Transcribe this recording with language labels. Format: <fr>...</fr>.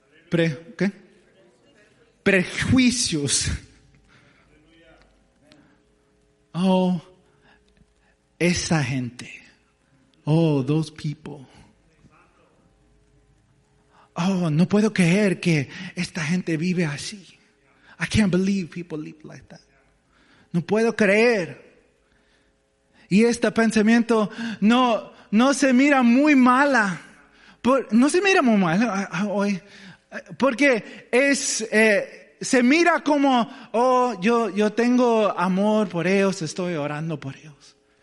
<es>¿Qué? Prejuicios. Oh, esa gente.</es> <en>Oh, those people.</en> <es>Oh, no puedo creer que esta gente vive así.</es> <en>I can't believe people live like that.</en> <es>No puedo creer. Y este pensamiento no se mira muy mala. No se mira muy mala hoy. Porque se mira como: oh, yo tengo amor por ellos, estoy orando por ellos.</es>